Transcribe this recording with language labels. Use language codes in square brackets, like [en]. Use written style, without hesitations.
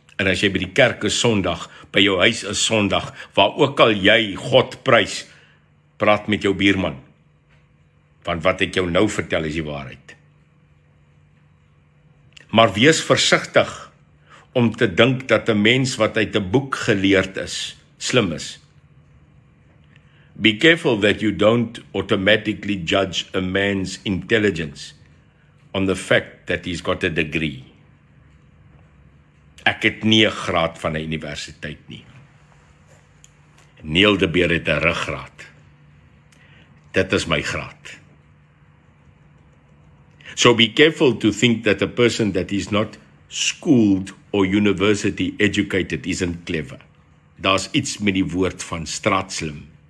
[af] En as jy by die kerk is Sondag, by jou huis is Sondag, waar ook al jy God prys, praat met jou buurman. Want wat ek jou nou vertel is die waarheid. Maar wees versigtig om te dink dat 'n mens wat uit 'n boek geleerd is, slim is. [en] Be careful that you don't automatically judge a man's intelligence on the fact that he's got a degree. [af] Ek het nie 'n graad van 'n universiteit nie. Neil de Beer het 'n ruggraat. Dit is my graad. [en] So be careful to think that a person that is not schooled or university educated isn't clever. [af] Daar's iets met die woord van straatslim.